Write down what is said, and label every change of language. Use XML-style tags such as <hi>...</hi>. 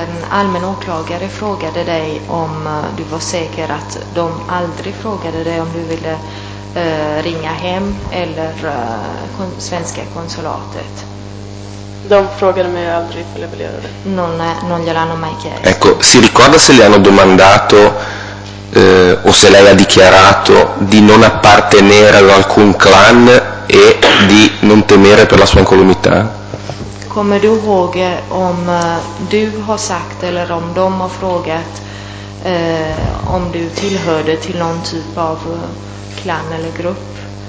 <sv>Almeno åklagare frågade dig om du var säker att de aldrig frågade dig om du ville ringa hem eller svenska consolatet. De frågade mig aldrig ifall jag ville göra det.</sv> <it>Non gliel'hanno mai chiesto. Ecco, si ricorda se le hanno domandato o se lei ha dichiarato di non appartenere ad alcun clan e di non temere per la sua incolumità?</it> <sv>Kommer du ihåg om du har sagt eller om de har frågat om du tillhörde till någon typ av klan eller grupp?</sv>